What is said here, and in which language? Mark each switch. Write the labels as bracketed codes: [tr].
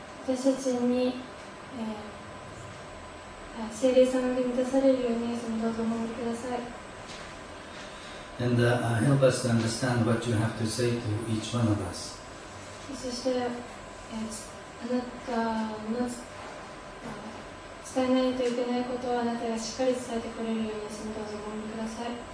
[ja] 私たちに、聖霊様が満たされるようにそのどうぞお守りください。 [en] And help us to understand what you have to say to each one of us. [ja] そして、あなたの伝えないといけないことをあなたがしっかり伝えてくれるようにそのどうぞお守りください。